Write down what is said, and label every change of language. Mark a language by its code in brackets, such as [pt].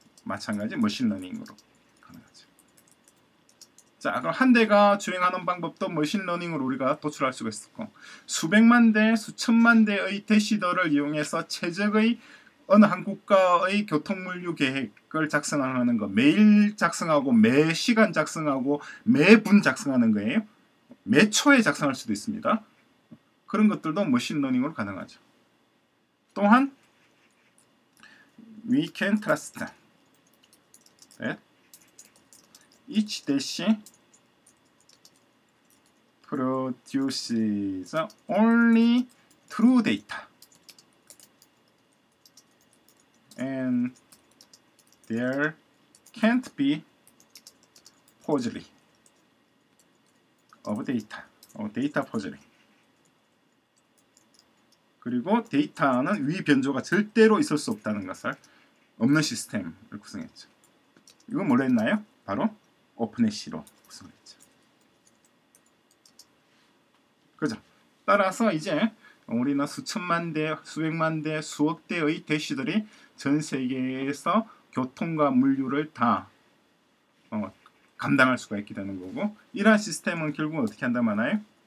[ko] 마찬가지 머신러닝으로 자 그럼 한 대가 주행하는 방법도 머신러닝으로 우리가 도출할 수가 있었고 수백만 대, 수천만 대의 대시더를 이용해서 최적의 어느 한 국가의 교통물류 계획을 작성하는 거 매일 작성하고 매 시간 작성하고 매분 작성하는 거예요. 매 초에 작성할 수도 있습니다. 그런 것들도 머신러닝으로 가능하죠. 또한 [en] We can trust that each dash produces only true data and there can't be forgery of data or data forgery. [ko] 그리고 데이터는 위 변조가 절대로 있을 수 없다는 것을 없는 시스템을 구성했죠. 이건 뭘로 했나요? 바로 오픈에시로 구성했죠. 그죠? 따라서 이제 우리는 수천만 대, 수백만 대, 수억 대의 대시들이 전 세계에서 교통과 물류를 다 감당할 수가 있게 되는 거고 이러한 시스템은 결국 어떻게 한다고 하나요?